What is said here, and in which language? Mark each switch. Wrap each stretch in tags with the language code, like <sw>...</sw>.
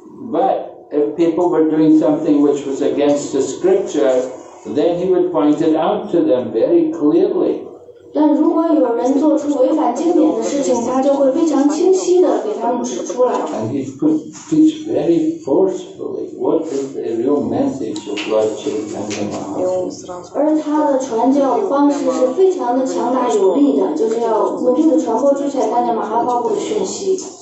<en>But if people were doing something which was against the scripture, then he would point it out to them very clearly.</en> <zh>但如果有人做出违反经典的事情，他就会非常清晰的给他们指出来。</zh> <en>And he could teach very forcefully what is the real message of Lord Chaitanya</en> <zh>Mahaprabhu。而他的传教方式是非常的强大有力的，就是要努力的传播出去，传达马哈巴布的讯息。</zh>